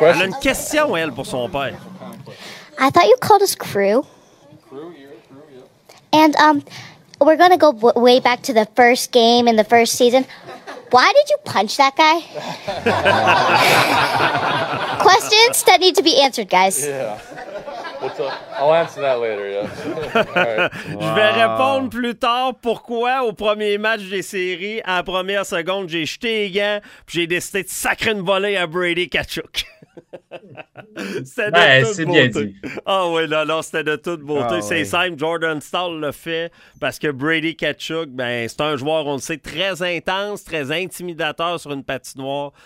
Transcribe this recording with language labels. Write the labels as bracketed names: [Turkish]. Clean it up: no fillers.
[French] Elle a une question, elle, pour son père. [English] I thought you called us crew. Crew, yeah. And we're going to go way back to the first game in the first season. Why did you punch that guy? Questions that need to be answered, guys. Yeah. I'll answer that later, yeah. Right. [French] Je vais répondre plus tard pourquoi au premier match des séries, à la première seconde, j'ai jeté les gants puis j'ai décidé de sacrer une volée à Brady Tkachuk. C'est bien dit. Ah oui, non, c'était de toute beauté. Ah, c'est simple, Jordan Stahl l'a fait parce que Brady Tkachuk, ben, c'est un joueur, on le sait, très intense, très intimidateur sur une patinoire.